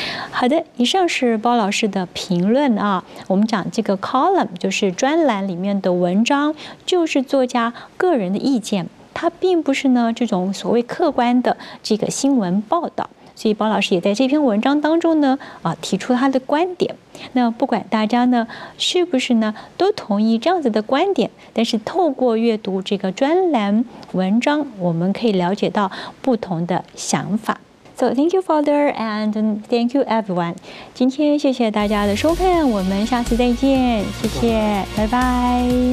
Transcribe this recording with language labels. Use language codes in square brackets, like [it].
[zh] 好的，以上是包老师的评论啊。我们讲这个 column 就是专栏里面的文章，就是作家个人的意见，它并不是呢这种所谓客观的这个新闻报道。所以包老师也在这篇文章当中呢提出他的观点。那不管大家呢是不是呢都同意这样子的观点，但是透过阅读这个专栏文章，我们可以了解到不同的想法。 [en] So thank you, Father, and thank you, everyone. [zh] 今天谢谢大家的收看，我们下次再见，谢谢，拜拜。